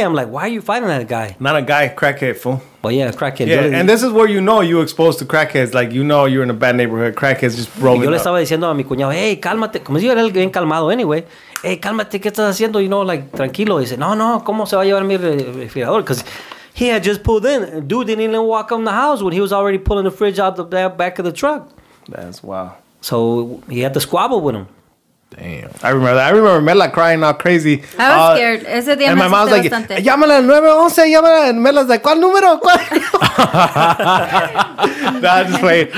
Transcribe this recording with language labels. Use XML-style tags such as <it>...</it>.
<en>I'm like, why are you fighting that guy? Not a guy, crackhead, fool. Well, yeah, crackhead. Yeah, and this is where you know you're exposed to crackheads. Like, you know you're in a bad neighborhood. Crackheads just rolling.</en> <es>Yo le estaba diciendo a mi cuñado, hey, cálmate. Como si yo era el bien calmado</es> <en>anyway.</en> <es>Hey, cálmate, ¿qué estás haciendo?</es> <en>You know, like,</en> <es>tranquilo. Dice, no, ¿cómo se va a llevar mi refrigerador?</es> <en>Because he had just pulled in. Dude didn't even walk in the house when he was already pulling the fridge out the back of the truck. That's wow. So he had to squabble with him. Damn. I remember that. I remember Mela crying out crazy. I was scared.</en> <es>Ese día</es> <en>and my mom's like,</en> <es>bastante. Llámala 911, llámala. And Mela's like, ¿cuál número? ¿Cuál?</es> <en>Nah, just playing.</en>